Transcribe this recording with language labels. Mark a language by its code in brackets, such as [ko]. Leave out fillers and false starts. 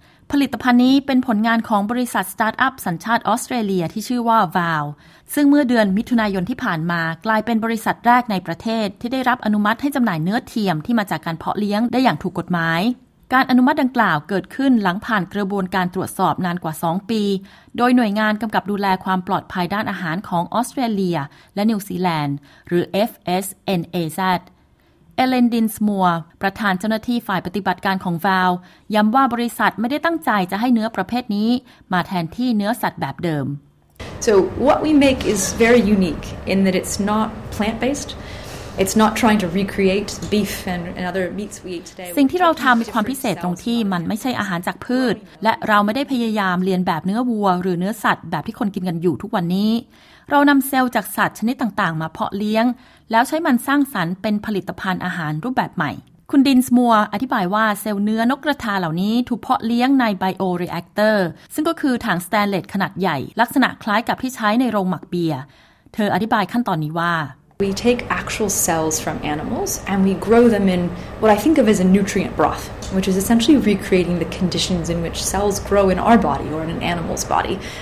[th] ผลิตภัณฑ์นี้เป็นผลงานของบริษัทสตาร์ทอัพสัญชาติออสเตรเลียที่ชื่อว่า Vow ซึ่งเมื่อเดือนมิถุนายนที่ผ่านมากลายเป็นบริษัทแรกในประเทศที่ได้รับอนุมัติให้จำหน่ายเนื้อเทียมที่มาจากการเพาะเลี้ยงได้อย่างถูกกฎหมายการอนุมัติดังกล่าวเกิดขึ้นหลังผ่านกระบวนการตรวจสอบนานกว่า2ปีโดยหน่วยงานกำกับดูแลความปลอดภัยด้านอาหารของออสเตรเลียและนิวซีแลนด์หรือ FSNAZ เอเลนดินส์มัวร์ประธานเจ้าหน้าที่ฝ่ายปฏิบัติการของ Vow ย้ำว่าบริษัทไม่ได้ตั้งใจจะให้เนื้อประเภทนี้มาแทนที่เนื้อสัตว์แบบเดิม [en] So what we make is very unique in that it's not plant-based. It's not trying to recreate beef and other meats we eat today. [th] สิ่งที่เราทำมีความพิเศษตรงที่มันไม่ใช่อาหารจากพืชและเราไม่ได้พยายามเรียนแบบเนื้อวัวหรือเนื้อสัตว์แบบที่คนกินกันอยู่ทุกวันนี้เรานำเซลล์จากสัตว์ชนิดต่างๆมาเพาะเลี้ยงแล้วใช้มันสร้างสรรค์เป็นผลิตภัณฑ์อาหารรูปแบบใหม่คุณดินส์มัวร์อธิบายว่าเซลล์เนื้อนกกระทาเหล่านี้ถูกเพาะเลี้ยงในไบโอรีแอคเตอร์ซึ่งก็คือถังสแตนเลสขนาดใหญ่ลักษณะคล้ายกับที่ใช้ในโรงหมักเบียร์เธออธิบายขั้นตอนนี้ว่า [en] We take actual cells from animals and we grow them in what I think of as a nutrient broth which is essentially recreating the conditions in which cells grow in our body or in an animal's body